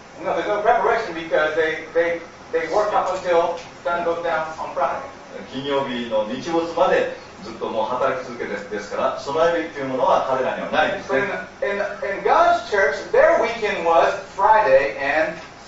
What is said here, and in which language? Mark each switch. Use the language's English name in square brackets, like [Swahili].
[English] No, there's no preparation because they work up until sun goes down on Friday. [Japanese] 金曜日の日没までずっともう働き続けてですから、備え日というものは彼らにはないですね。 [English] In God's church, their weekend was Friday and